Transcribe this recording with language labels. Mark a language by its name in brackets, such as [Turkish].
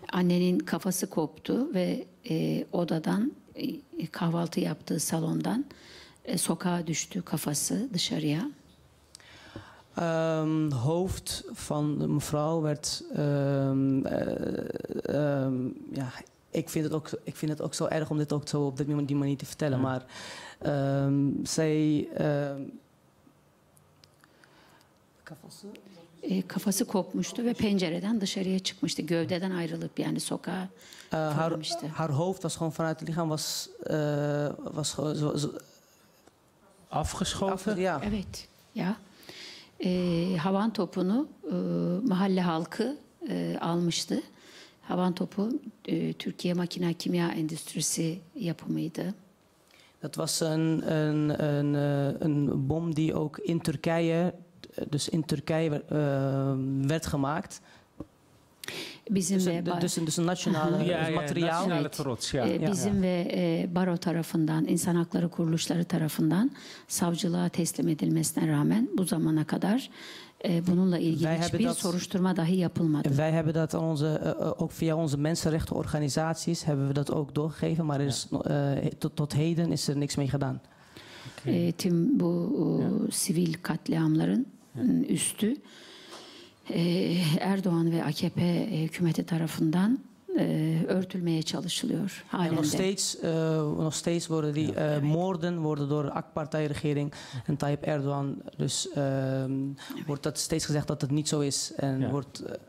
[Turkish] Annenin kafası koptu ve odadan kahvaltı yaptığı salondan sokağa düştü kafası dışarıya. [Dutch] Hoofd van de mevrouw werd ja. Ik vind het ook zo erg om dit ook zo op die manier te vertellen. Ja. Maar zij. [Turkish] Kafası kopmuştu ve pencereden dışarıya çıkmıştı. Gövdeden ayrılıp yani sokağa vermişti. [Dutch] Haar hoofd was gewoon vanuit het lichaam was afgeschoten. Ja. [Turkish] Evet. [Dutch] Ja. [Turkish] Havan topunu mahalle halkı almıştı. Havan topu Türkiye Makina Kimya Endüstrisi yapımıydı. [Dutch] Dat was een bom die ook in Turkije, dus in Turkije werd gemaakt. [Turkish] Bizim [Dutch] dus een nationale materiaal. Nationale trots, ja. [Turkish] Bizim ve Baro tarafından, insan hakları kuruluşları tarafından savcılığa teslim edilmesine rağmen bu zamana kadar bununla ilgili hiçbir soruşturma dahi yapılmadı. [Dutch] Wij hebben dat ook via onze mensenrechtenorganisaties hebben we dat ook doorgegeven, maar is tot heden is er niks mee gedaan. [Turkish] Tüm bu sivil katliamların üstü Erdoğan ve AKP hükümeti tarafından örtülmeye çalışılıyor halen. [Dutch] Nog steeds worden die moorden worden door AK Parti regering en Tayyip Erdoğan dus wordt dat steeds gezegd dat het niet zo is en wordt